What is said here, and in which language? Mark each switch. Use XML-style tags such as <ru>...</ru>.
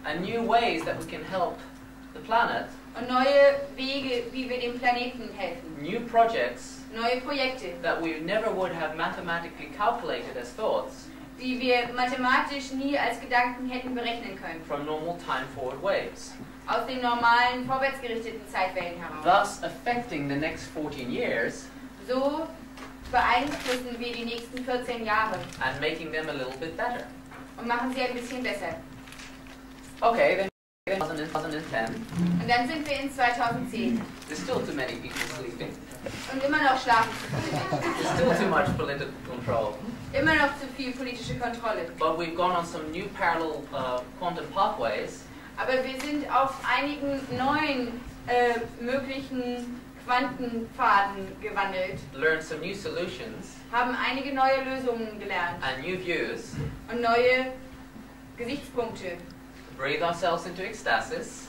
<en>And new ways that we can help the planet.</en> <de>Und neue Wege, wie wir dem Planeten helfen.</de> <en>New projects.</en> <de>Neue Projekte.</de> <en>That we never would have mathematically calculated as thoughts.</en> <de>Die wir mathematisch nie als Gedanken hätten berechnen können.</de> <en>From normal time forward waves.</en> <de>Aus den normalen vorwärtsgerichteten Zeitwellen heraus.</de> <en>Thus affecting the next 14 years.</en> <de>So beeinflussen wir die nächsten 14 Jahre.</de> <en>And making them a little bit better.</en> <de>Und machen sie ein bisschen besser.</de> <en>Okay, then 2010.</en> <de>Und dann sind wir in 2010.</de> <en>There's still too many people sleeping.</en> <de>Und immer noch schlafen.</de> <en>There's still too much political control.</en> <de>Immer noch zu viel politische Kontrolle.</de> <en>But we've gone on some new parallel quantum pathways.</en> <de>Aber wir sind auf einigen neuen möglichen Quantenpfaden gewandelt.</de> <en>Learned some new solutions.</en> <de>Haben einige neue Lösungen gelernt.</de> <en>And new views.</en> <de>Und neue Gesichtspunkte.</de> <en>Breathe ourselves into ecstasis.</en>